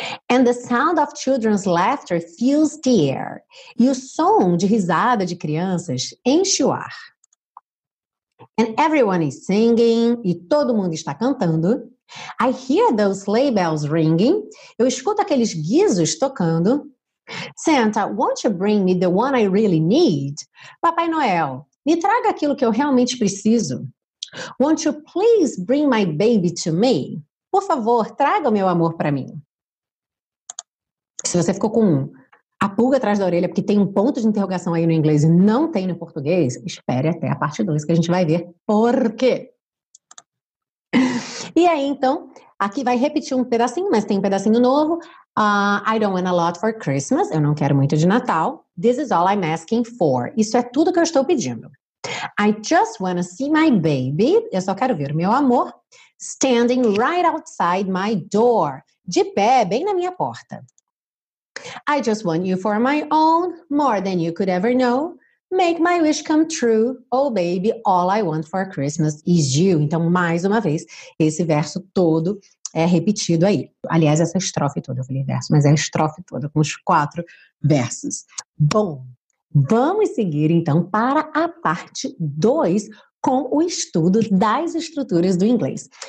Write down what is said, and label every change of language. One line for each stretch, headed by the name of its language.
English: And the sound of children's laughter fills the air.
Portuguese: E o som de risada de crianças enche o ar.
English: And everyone is singing,
Portuguese: e todo mundo está cantando.
English: I hear those sleigh bells ringing.
Portuguese: Eu escuto aqueles guizos tocando.
English: Santa, won't you bring me the one I really need?
Portuguese: Papai Noel, me traga aquilo que eu realmente preciso.
English: Won't you please bring my baby to me? Por favor, traga o meu amor para mim.
Portuguese: Se você ficou com a pulga atrás da orelha, porque tem um ponto de interrogação aí no inglês e não tem no português, espere até a parte 2 que a gente vai ver por quê. E aí, então, aqui vai repetir um pedacinho, mas tem um pedacinho novo.
English: I don't want a lot for Christmas.
Portuguese: Eu não quero muito de Natal.
English: This is all I'm asking for.
Portuguese: Isso é tudo que eu estou pedindo.
English: I just want to see my baby.
Portuguese: Eu só quero ver meu amor.
English: Standing right outside my door.
Portuguese: De pé, bem na minha porta.
English: I just want you for my own. More than you could ever know. Make my wish come true. Oh, baby, all I want for Christmas is you.
Portuguese: Então, mais uma vez, esse verso todo é repetido aí. Aliás, essa estrofe toda, eu falei verso, mas é a estrofe toda com os 4 versos. Bom, vamos seguir então para a parte 2 com o estudo das estruturas do inglês.